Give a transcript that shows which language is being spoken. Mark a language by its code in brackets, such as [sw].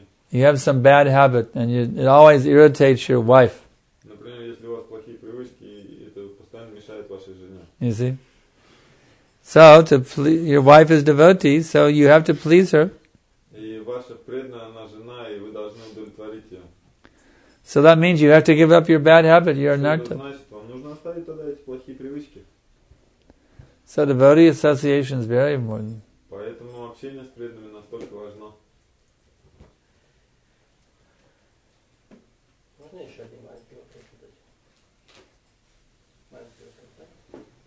[en] You have some bad habit, and it always irritates your wife. [ru] Например, если у вас плохие привычки, это постоянно мешает вашей жене. [en] You see? So to please your wife is devotee, so you have to please her. [ru] И ваша преданная, она жена, и вы должны удовлетворить ее. [en] So that means you have to give up your bad habit. You're not to. [ru] Значит, вам нужно оставить тогда эти плохие привычки. [en] So devotee association is very important. [ru] Поэтому общение с преданными настолько важно. Можно еще один маленький вопрос задать? Маленький вопрос, да?